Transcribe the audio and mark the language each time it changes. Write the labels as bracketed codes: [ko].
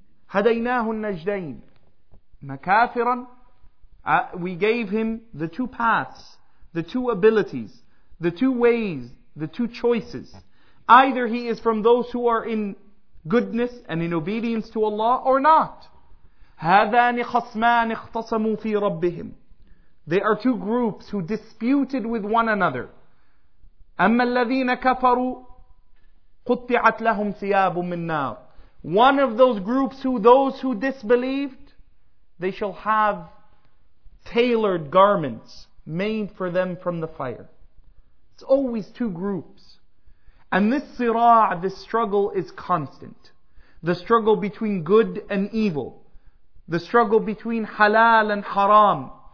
[ar] هديناه النجدين مكافرا. [en] We gave him the two paths, the two abilities, the two ways, the two choices. Either he is from those who are in goodness and in obedience to Allah, or not. [ar] هذان خصمان اختصموا في ربهم. [en] They are two groups who disputed with one another. [ar] أما الذين كفروا قطعت لهم ثياب من نار. [en] One of those groups, who those who disbelieved, they shall have tailored garments made for them from the fire. It's always two groups. And this sirah, this struggle is constant. The struggle between good and evil. The struggle between halal and haram.